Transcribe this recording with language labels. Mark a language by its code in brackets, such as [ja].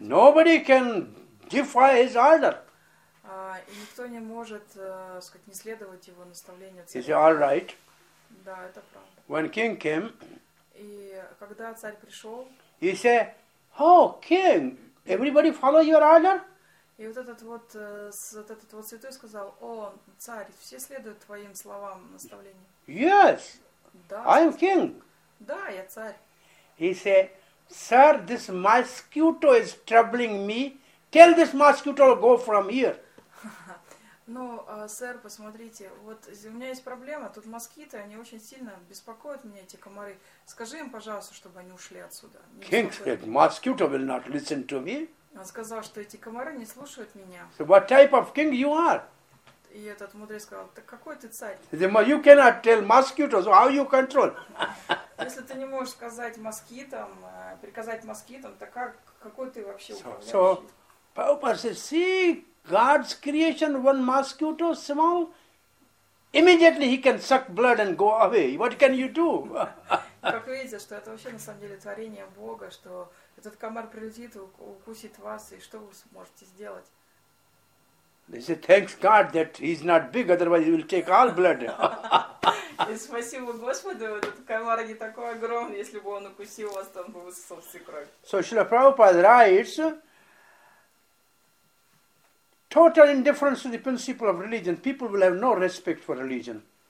[en] Nobody can defy his order. [ru] И никто не может, сказать, не следовать его наставлению. [en] Is it all right? [ru] Да, это правда. [en] When king came. [ru] И когда царь пришел. [en] He said, "Oh, king, everybody follow your order." [ru] И вот этот святой сказал, о, царь, все следуют твоим словам, наставлениям. [en] Yes, [ru] да, [en] I am king. [ru] Да, я царь. [en] He said, sir, this mosquito is troubling me. Tell this mosquito to go from here. [ru] Ну, сэр, посмотрите, вот у меня есть проблема, тут москиты, они очень сильно беспокоят меня, эти комары. Скажи им, пожалуйста, чтобы они ушли отсюда. [en] King said, mosquito will not listen to me. [ru] Он сказал, что эти комары не слушают меня. [en] So what type of king you are? [ru] И этот мудрец сказал, так какой ты царь? [en] You cannot tell mosquitoes how you control. [ru] Если ты не можешь сказать москитам, приказать москитам, так какой ты вообще управляющий? [en] So Prabhupada says, see, God's creation, one mosquito, small, immediately he can suck blood and go away. What can you do? [ru] Как видите, что это вообще на самом деле творение Бога, что этот комар прилетит, укусит вас, и что вы сможете сделать? [en] He said, thanks God that he's not big, otherwise he will take all blood. [ru] И спасибо Господу, этот комар не такой огромный, если бы он укусил вас, то он бы высосал всю кровь. [en] So Srila Prabhupada writes, total indifference to the principle of religion, people will have no respect for religion.